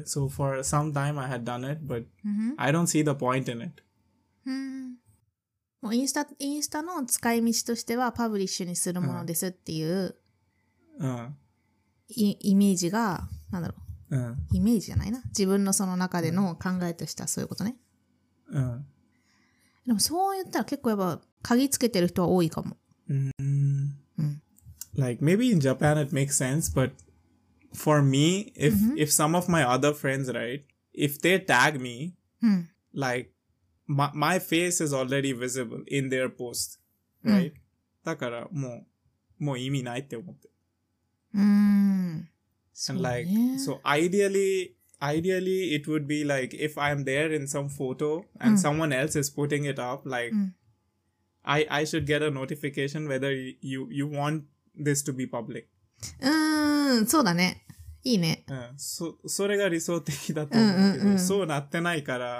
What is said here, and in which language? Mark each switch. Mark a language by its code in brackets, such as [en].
[en] So for some time I had done it, but I don't see the point in it. [ja] もうインスタの使い道としてはパブリッシュにするものですっていう、イメージが、なんだろう。イメージじゃないな。自分のその中での考えとしてはそういうことね。でもそう言ったら結構やっぱ鍵つけてる人は多いかも。 [en] Like maybe in Japan it makes sense, but for me, if some of my other friends, right, if they tag me, like my face is already visible in their post, right? [ja] だからもう意味ないって思って。 [en] And like, so ideally, it would be like, if I'm there in some photo and someone else is putting it up, like, I should get a notification whether you want this to be public. [ja] そうだね。いいね。それが理想的だと思うけど、そうなってないから。